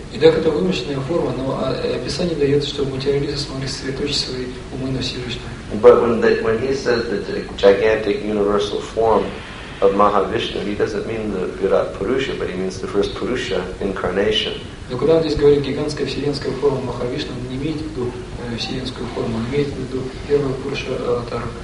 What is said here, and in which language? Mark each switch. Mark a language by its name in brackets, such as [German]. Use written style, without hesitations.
[Russian] И так это вымышленная форма, но описание дает, чтобы материалисты смогли сосредоточить свои умы на Всевышнем. [English] But when he says that the gigantic universal form of Mahavishnu, he doesn't mean the Virat Purusha, but he means the first Purusha incarnation. [Russian] Но когда он здесь говорит гигантская вселенская форма Махавишну, он не имеет в виду вселенскую форму, он имеет в виду первого Пуруша Аватара.